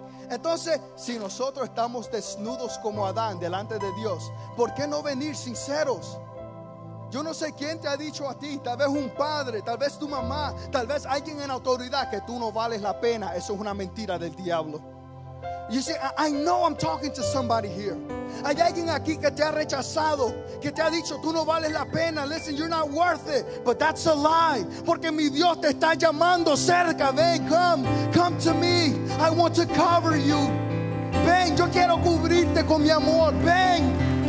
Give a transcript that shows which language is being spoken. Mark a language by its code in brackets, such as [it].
[es] Entonces, si nosotros estamos desnudos como Adán delante de Dios, ¿por qué no venir sinceros? Yo no sé quién te ha dicho a ti, tal vez un padre, tal vez tu mamá, tal vez alguien en autoridad, que tú no vales la pena. Eso es una mentira del diablo. [en] You see, I know I'm talking to somebody here. [es] Hay alguien aquí que te ha rechazado, que te ha dicho tú no vales la pena. [en] Listen, you're not worth it. But that's a lie, [es] porque mi Dios te está llamando cerca. Ven, [en] come to me. I want to cover you. [es] Ven, yo quiero cubrirte con mi amor. Ven.